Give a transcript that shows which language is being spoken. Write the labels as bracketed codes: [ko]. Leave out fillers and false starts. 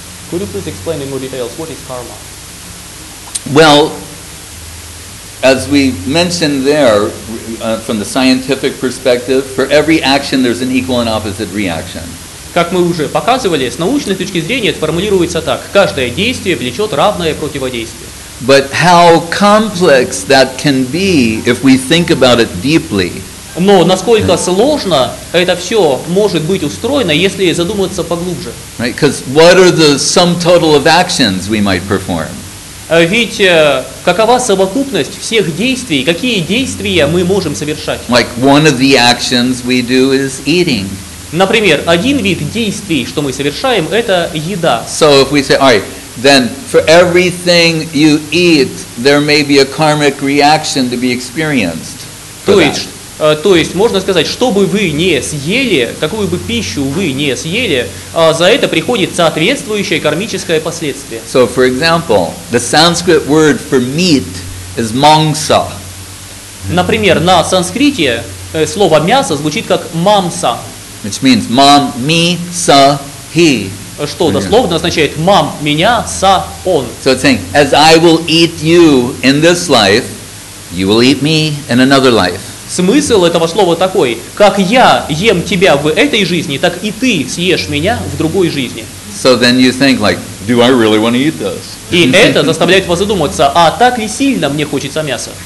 [en] Could you please explain in more details what is karma? Well, as we mentioned there, from the scientific perspective, for every action there's an equal and opposite reaction. [ru] Как мы уже показывали, с научной точки зрения это формулируется так: каждое действие влечет равное противодействие. [en] But how complex that can be if we think about it deeply. [ru] Но насколько сложно это все может быть устроено, если задуматься поглубже? [en] Right, because what are the sum total of actions we might perform? [ru] Ведь какова совокупность всех действий, какие действия мы можем совершать? [en] Like one of the actions we do is eating. [ru] Например, один вид действий, что мы совершаем, это еда. [en] So if we say, all right, then for everything you eat, there may be a karmic reaction to be experienced. [ru] То есть, можно сказать, что бы вы ни съели, какую бы пищу вы ни съели, за это приходит соответствующее кармическое последствие. [en] So, for example, the Sanskrit word for meat is mangsa. [ru] Например, на санскрите слово «мясо» звучит как «мамса». [en] Which means [sa] «мам», «ми», «са», «хи». [ru] Что дословно означает «мам», «меня», «са», «он». [en] So it's saying, as I will eat you in this life, you will eat me in another life. [ru] Смысл этого слова такой: как я ем тебя в этой жизни, так и ты съешь меня в другой жизни. [en] So then you think, like, do I really want to eat this? [ru] И это заставляет вас задуматься: а так ли сильно мне хочется мяса?